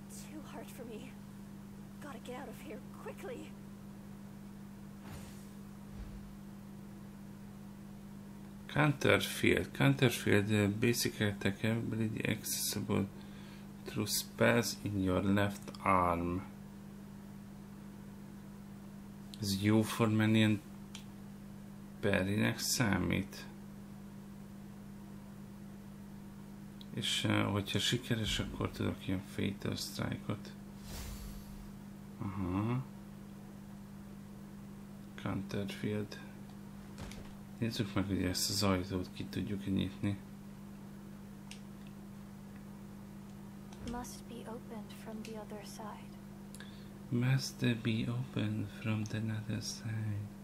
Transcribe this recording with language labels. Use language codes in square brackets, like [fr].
[en] Too hard for me. Gotta get out of here quickly. Counterfield. Counterfield basic attack ability accessible through spells in your left arm. [hu] Ez jó formán ilyen perinek számít. És hogyha sikeres, akkor tudok ilyen Fatal Strike-ot. Aha. Counterfield. Nézzük meg, hogy ezt az ajtót ki tudjuk nyitni. [en] Must be opened from the other side. Must be opened from the other side.